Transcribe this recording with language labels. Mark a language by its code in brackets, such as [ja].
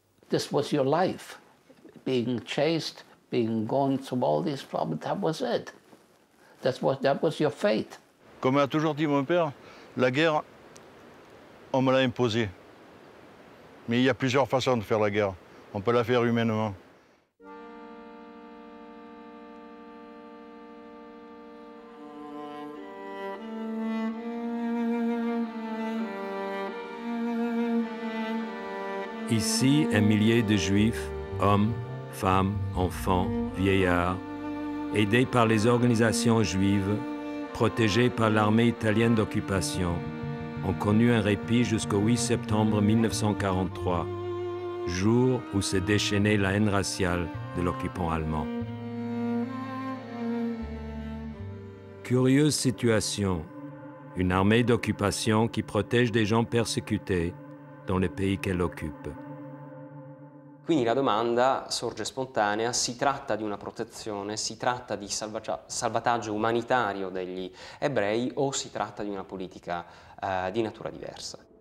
[en] This was your life, being chased, being gone through all these problems, that was it. That was your fate. [fr] Comme a toujours dit mon père, la guerre, on me l'a imposée. Mais il y a plusieurs façons de faire la guerre. On peut la faire humainement. Ici, un millier de Juifs, hommes, femmes, enfants, vieillards, aidés par les organisations juives, protégés par l'armée italienne d'occupation, ont connu un répit jusqu'au 8 septembre 1943, jour où s'est déchaînée la haine raciale de l'occupant allemand. Curieuse situation, une armée d'occupation qui protège des gens persécutés dans le pays qu'elle occupe. [it] Quindi la domanda sorge spontanea, si tratta di una protezione, si tratta di salvataggio umanitario degli ebrei o si tratta di una politica di natura diversa?